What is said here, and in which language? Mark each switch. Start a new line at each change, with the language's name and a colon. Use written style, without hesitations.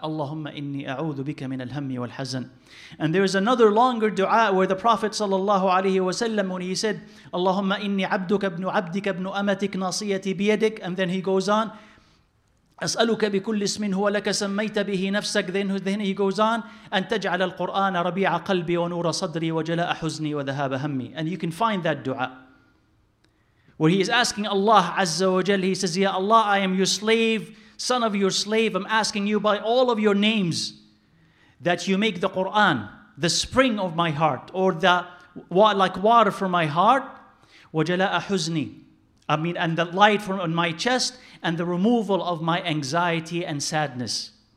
Arabic: Allahumma inni a'udhu bika min al-hammi wal-hazan.
English: And there is another longer dua where the Prophet sallallahu alayhi wa sallam, when he said,
Arabic: Allahumma inni abduka ibn amatik nasiyati biyadik,
English: and then he goes on,
Arabic: أسألك بكل اسم هو لك سميت به نفسك.
English: Then he goes on,
Arabic: أن تجعل القرآن ربيع قلبي ونور صدري وجلاء حزني وذهاب همي.
English: And you can find that dua. where he is asking Allah Azza wa Jal, he says, Ya Allah, I am your slave, son of your slave. I'm asking you by all of your names that you make the Quran the spring of my heart, or the like water from my heart,
Arabic: وَجَلَاءَ حُزْنِي,
English: I mean, and the light from on my chest, and the removal of my anxiety and sadness.